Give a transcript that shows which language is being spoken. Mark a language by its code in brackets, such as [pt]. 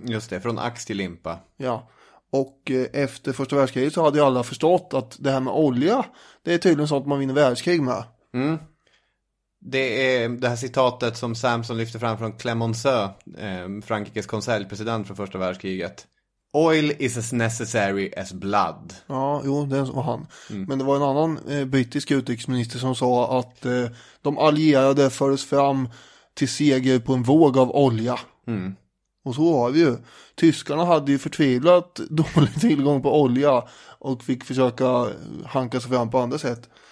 [sv] Just det, från ax till limpa. Ja. Och efter första världskriget så hade ju alla förstått att det här med olja, det är tydligen sånt man vinner världskrig med. Mm. Det är det här citatet som Samson lyfter fram från Clemenceau, Frankrikes konseljpresident från första världskriget. [en] Oil is as necessary as blood. [sv] Ja, jo, det var han. Mm. Men det var en annan brittisk utrikesminister som sa att de allierade fördes fram till seger på en våg av olja. Mm. Och så har vi ju. Tyskarna hade ju förtvivlat dålig tillgång på olja och fick försöka hanka sig fram på andra sätt.